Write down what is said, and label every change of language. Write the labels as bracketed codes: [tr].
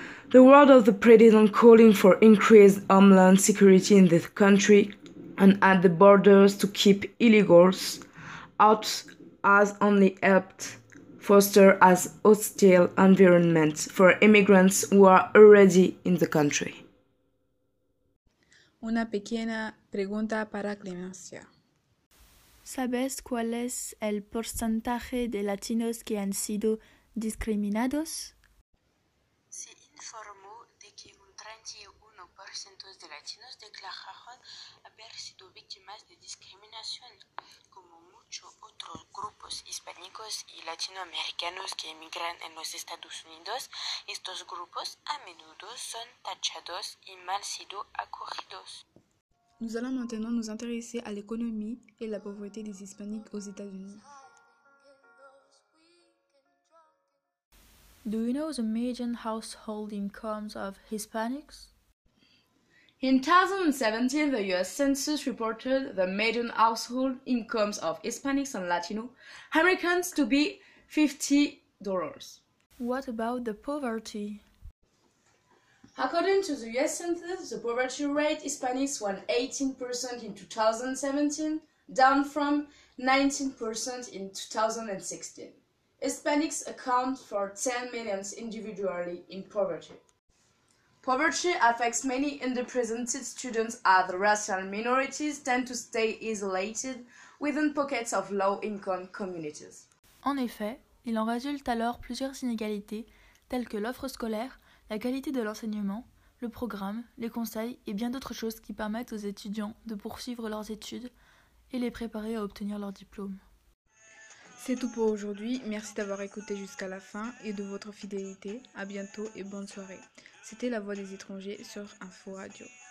[en] The word of the president calling for increased homeland security in this country and at the borders to keep illegals out has only helped foster a hostile environment for immigrants who are already in the country. [es] Una pequeña pregunta para Clemencia. ¿Sabes cuál es el porcentaje de latinos que han sido discriminados? Se informó de que un 31% de latinos declararon haber sido víctimas de discriminación, como muchos otros grupos hispánicos y latinoamericanos que emigran en los Estados Unidos, estos grupos a menudo son tachados y mal sido acogidos. [fr] Nous allons maintenant nous intéresser à l'économie et la pauvreté des Hispaniques aux États-Unis. [en] Do you know the median household incomes of Hispanics? In 2017, the US Census reported the median household incomes of Hispanics and Latino Americans to be $50. What about the poverty? According to the US Census, the poverty rate Hispanics was 18% in 2017, down from 19% in 2016. Hispanics account for 10 million individually in poverty. Poverty affects many underrepresented students as racial minorities tend to stay isolated within pockets of low-income communities. [fr] En effet, il en résulte alors plusieurs inégalités, telles que l'offre scolaire, la qualité de l'enseignement, le programme, les conseils et bien d'autres choses qui permettent aux étudiants de poursuivre leurs études et les préparer à obtenir leur diplôme. C'est tout pour aujourd'hui. Merci d'avoir écouté jusqu'à la fin et de votre fidélité. À bientôt et bonne soirée. C'était La Voix des étrangers sur Info Radio.